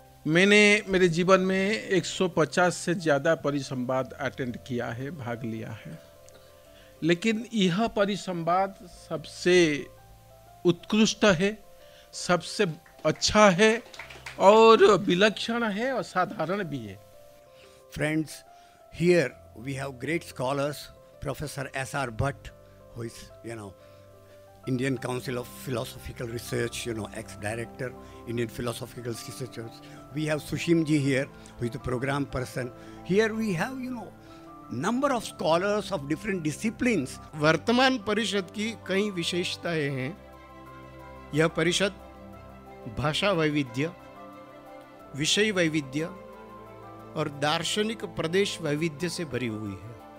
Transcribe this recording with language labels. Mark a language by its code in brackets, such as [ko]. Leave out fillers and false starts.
[hi] मैंने मेरे जीवन में 150 से ज्यादा परिसंवाद अटेंड किया है, भाग लिया है, लेकिन यह परिसंवाद सबसे उत्कृष्ट है, सबसे अच्छा है और विलक्षण है और साधारण भी है। [en] Friends, here we have great scholars professor S R Bhatt, who is you know Indian Council of Philosophical Research, you know, ex-director, Indian Philosophical Researchers. We have Sushim ji here, who is the program person. Here we have, you know, number of scholars of different disciplines. [hi] वर्तमान परिषद की कई विशेषताएं हैं। यह परिषद भाषा वैविध्य, विषय वैविध्य और दार्शनिक प्रदेश वैविध्य से भरी हुई है।